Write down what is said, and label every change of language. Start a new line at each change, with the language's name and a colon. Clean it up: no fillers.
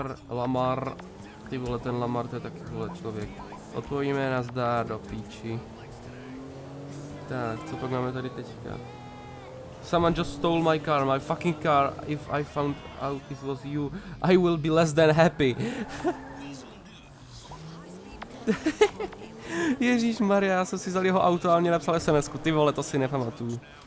Czech: Lamar, ty vole, ten Lamar, to je taky vole člověk. Odpovíme na zdar, do píči. Tak, co pak máme tady teďka?
English: Someone just stole my car, my fucking car, if I found out it was you, I will be less than happy.
Czech: Ježíš Maria, já jsem si vzal jeho auto a mě napsal SMSku, ty vole, to si nepamatuju.